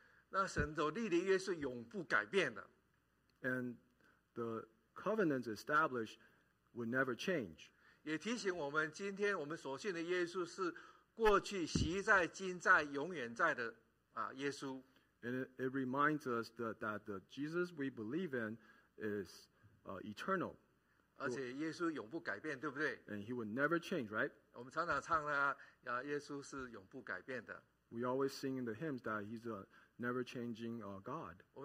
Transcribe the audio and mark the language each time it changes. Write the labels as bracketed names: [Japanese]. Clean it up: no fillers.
[Chinese] 那神所立的约是永不改变的。 [English] And the covenant established would never change. [Chinese] 也提醒我们今天我们所信的耶稣是过去、昔在、今在、永远在的耶稣。 [English] And it reminds us that the Jesus we believe in is eternal. [Chinese] 而且耶稣永不改变，对不对？ [English] And he would never change, right? [Chinese] 我们常常唱啊，耶稣是永不改变的。 [English] We always sing in the hymns that he's a never-changing God.